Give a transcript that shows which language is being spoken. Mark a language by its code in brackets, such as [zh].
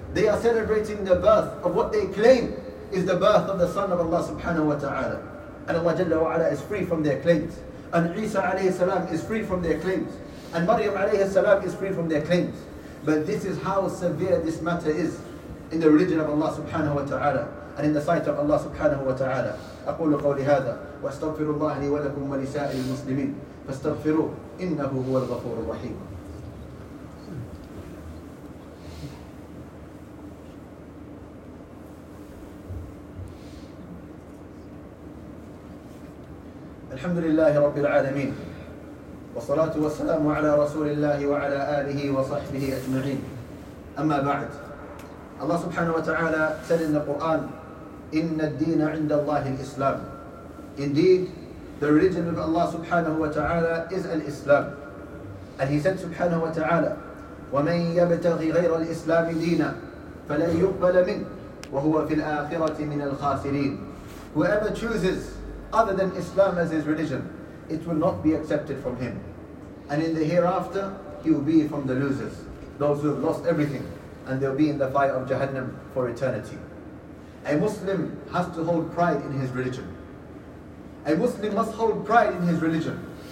[en] They are celebrating the birth of what they claim is the birth of the Son of Allah subhanahu wa ta'ala. And Allah Jalla wa Ala is free from their claims. And Isa alayhi salam is free from their claims. And Maryam alayhi salam is free from their claims. But this is how severe this matter is in the religion of Allah subhanahu wa ta'ala and in the sight of Allah subhanahu wa ta'ala. [ar] أقول قولي هذا واستغفر الله لي ولكم ولسائر المسلمين فاستغفروا إنه هو الغفور الرحيم. الحمد لله رب العالمين والصلاة والسلام على رسول الله وعلى آله وصحبه أجمعين. أما بعد, الله سبحانه وتعالى [en] said in the Quran, [ar] إن الدين عند الله الإسلام. [en] Indeed, the religion of Allah سبحانه وتعالى is الإسلام. And he said [ar] سبحانه وتعالى, ومن يبتغي غير الإسلام دينا فلن يقبل منه وهو في الآخرة من الخاسرين. [en] Whoever chooses other than Islam as his religion, it will not be accepted from him. And in the hereafter, he will be from the losers, those who have lost everything, and they'll be in the fire of Jahannam for eternity. A Muslim has to hold pride in his religion. A Muslim must hold pride in his religion.